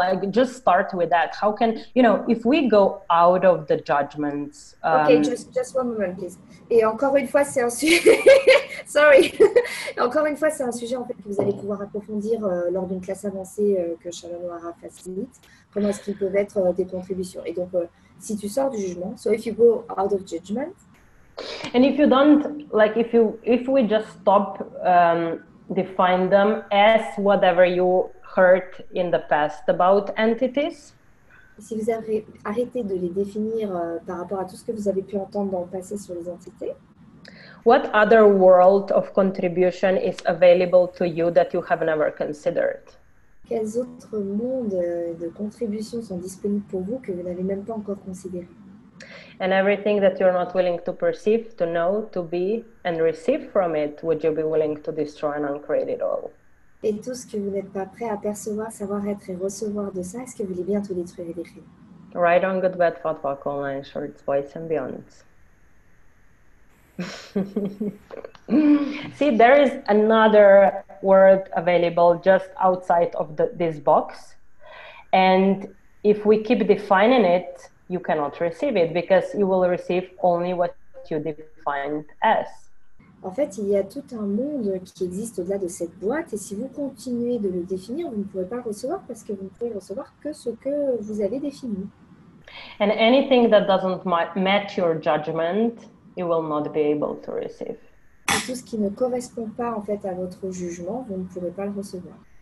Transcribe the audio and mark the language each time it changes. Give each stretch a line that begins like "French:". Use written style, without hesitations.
English: Just start with that. How can, you know, if we go out of the judgments... Okay, just one moment, please.
French: Et encore une fois, c'est un sujet... Sorry. Encore une fois, c'est un sujet, en fait, que vous allez pouvoir approfondir lors d'une classe avancée que Chana Nohara facilite. Comment est-ce qu'ils peuvent être des contributions? Et donc, si tu sors du jugement.
English: So if you go out of judgment. And if you don't, like if you, if we just stop define them as whatever you heard in the past about entities.
French: Si vous avez arrêté de les définir par rapport à tout ce que vous avez pu entendre dans le passé sur les entités.
English: What other world of contribution is available to you that you have never considered?
French: Quels autres mondes de contribution sont disponibles pour vous que vous n'avez même pas encore considéré?
English: And everything that you're not willing to perceive, to know, to be, and receive from it, would you be willing to destroy and uncreate it all?
French: Et tout ce que vous n'êtes pas prêt à percevoir, savoir être et recevoir de ça, est-ce que vous voulez bien tout détruire et décrire?
English: Write on good, bad, fat, fuck, online, shorts, voice, and beyond. See, there is another word available just outside of the, this box, and if we keep defining it, you cannot receive it because you will receive only what you defined as.
French: En fait, il y a tout un monde qui existe au-delà de cette boîte, et si vous continuez de le définir, vous ne pouvez pas recevoir parce que vous ne pouvez recevoir que ce que vous avez défini.
English: And anything that doesn't match your judgment, you will not be able to receive.
French: Et tout ce qui ne correspond pas en fait à votre jugement, vous ne pourrez pas le recevoir.